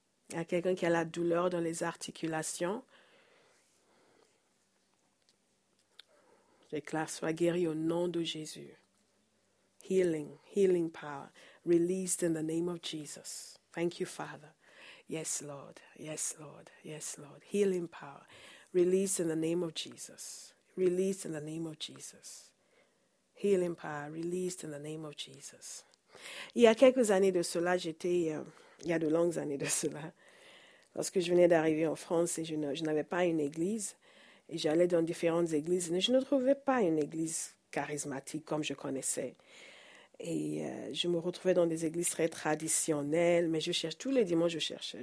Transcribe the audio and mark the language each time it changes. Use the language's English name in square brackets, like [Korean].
[French] Il y a quelqu'un qui a la douleur dans les articulations. Je déclare, sois guéri au nom de Jésus. [English] Healing, healing power, released in the name of Jesus. Thank you, Father. Yes, Lord. Yes, Lord. Yes, Lord. Healing power, released in the name of Jesus. Released in the name of Jesus. Healing power released in the name of Jesus. [French] Il y a quelques années de cela, il y a de longues années de cela, lorsque je venais d'arriver en France et je n'avais pas une église, et j'allais dans différentes églises, mais je ne trouvais pas une église charismatique comme je connaissais. Et je me retrouvais dans des églises très traditionnelles, mais tous les dimanches, je cherchais.